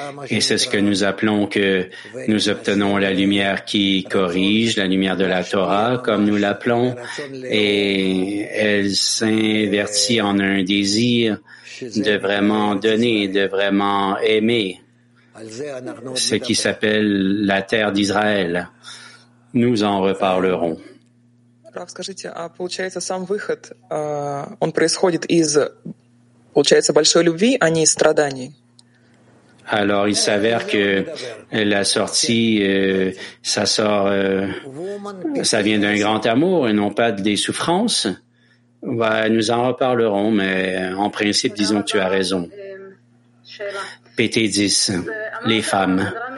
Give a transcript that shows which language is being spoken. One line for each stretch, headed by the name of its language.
French: Et c'est ce que nous appelons que nous obtenons la lumière qui corrige, la lumière de la Torah, comme nous l'appelons, et elle s'invertit en un désir de vraiment donner, de vraiment aimer, ce qui s'appelle la terre d'Israël. Nous en reparlerons.
Russian: Раф, скажите, а получается сам выход, он происходит из, получается, большой любви, а не из страданий?
French: Alors il s'avère que la sortie, ça sort, ça vient d'un grand amour et non pas des souffrances. Bah, nous en reparlerons, mais en principe, disons que tu as raison. PT10, les femmes.